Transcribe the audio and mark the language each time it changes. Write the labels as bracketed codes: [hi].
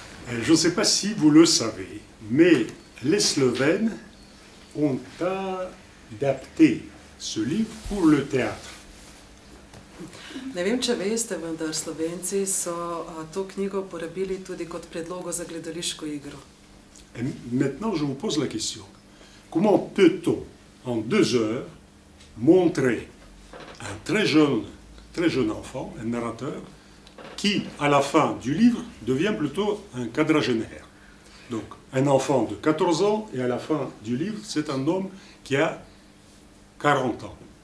[fr] Je ne sais pas si vous le savez, mais les Slovènes ont adapté ce livre pour le théâtre. [sl] Ne vem, če veste, vendar Slovenci so to knjigo uporabili tudi kot predlogo za gledališko igro. [fr] Et maintenant je vous pose la question. Comment peut-on en deux heures montrer un très jeune enfant, un narrateur qui, à la fin du livre, devient plutôt un quadragénaire. Donc, un enfant de 14 ans, et à la fin du livre, c'est un homme qui a 40 ans.